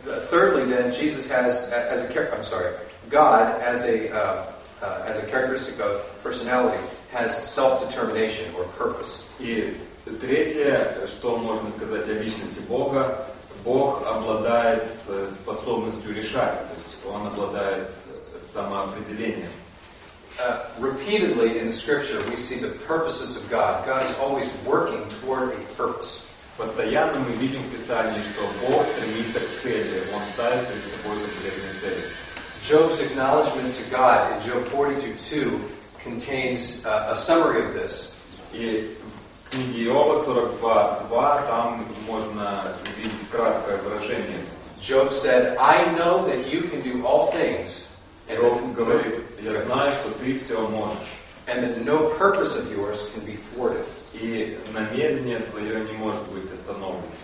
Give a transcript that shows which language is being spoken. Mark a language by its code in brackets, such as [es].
[en] Thirdly, then Jesus has God as a characteristic of personality has self-determination or purpose. [ru] И третье, что можно сказать о личности Бога, Бог обладает способностью решать, то есть Он обладает самоопределением. [en] Repeatedly in the Scripture we see the purposes of God. God is always working toward a purpose. [ru] Постоянно мы видим в Писании, что Бог стремится к цели. Он ставит перед собой конкретные цели. [en] Job's acknowledgement to God in Job 42 contains a summary of this. [ru] И в книге Иова 42:2 там можно увидеть краткое выражение. [en] Job said, "I know that you can do all things." [ru] And Иов говорит, я знаю, что ты все можешь. [en] And that no purpose of yours can be thwarted. [ru] И намерение твое не может быть остановлено.